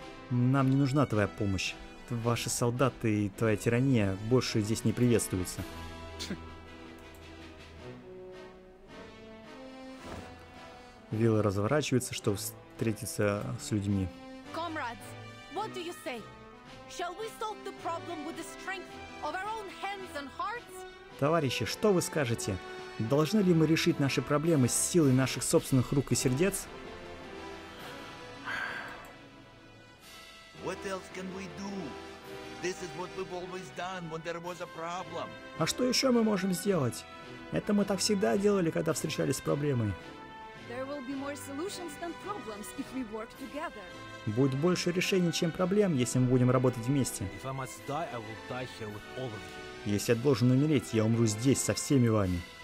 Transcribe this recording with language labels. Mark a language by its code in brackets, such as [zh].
[ru] Нам не нужна твоя помощь. Ваши солдаты и твоя тирания больше здесь не приветствуются. Вилла разворачивается, чтобы встретиться с людьми. [en] Comrades, what do you say? Shall we solve the problem with the strength of our own hands and hearts? [ru] Товарищи, что вы скажете? Должны ли мы решить наши проблемы с силой наших собственных рук и сердец? [en] What else can we do? This is what we've always done when there was a problem. [ru] А что еще мы можем сделать? Это мы так всегда делали, когда встречались с проблемой. [en] There will be more solutions than problems if we work together. [ru] Будет больше решений, чем проблем, если мы будем работать вместе. [en] If I must die, I will die here with all of you. [ru] Если я должен умереть, я умру здесь со всеми вами.